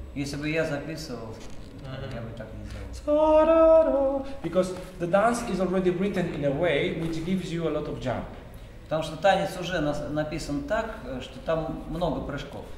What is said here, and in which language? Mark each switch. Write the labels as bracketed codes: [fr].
[ru] Если бы я записывал, я бы так не сделал. [en] Because the dance is already written in a way which gives you a lot of jump. [ru] Потому что танец уже написан так, что там много прыжков.